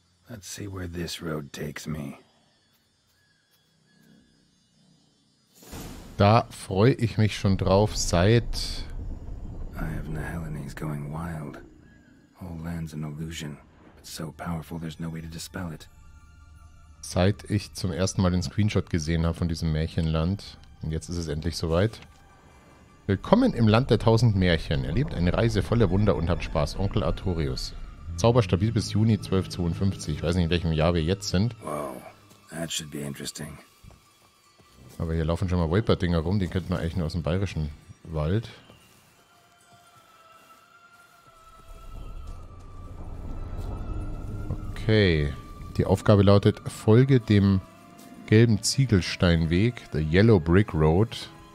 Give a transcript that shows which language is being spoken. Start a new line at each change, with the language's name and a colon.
English: Let's see where this road takes me.
German: Da freue ich mich schon drauf, seit...
English: I have Nahelene's going wild. Whole land's an illusion, but so powerful there's no way to dispel it.
German: Seit ich zum ersten Mal den Screenshot gesehen habe von diesem Märchenland. Und jetzt ist es endlich soweit. Willkommen im Land der tausend Märchen. Erlebt eine Reise voller Wunder und habt Spaß. Onkel Artorius. Zauberstabil bis Juni 1252. Ich weiß nicht, in welchem Jahr wir jetzt sind.
English: Wow, that should be interesting.
German: Aber hier laufen schon mal Viper-Dinger rum, die kennt man eigentlich nur aus dem bayerischen Wald. Okay, die Aufgabe lautet, folge dem gelben Ziegelsteinweg, the Yellow Brick Road.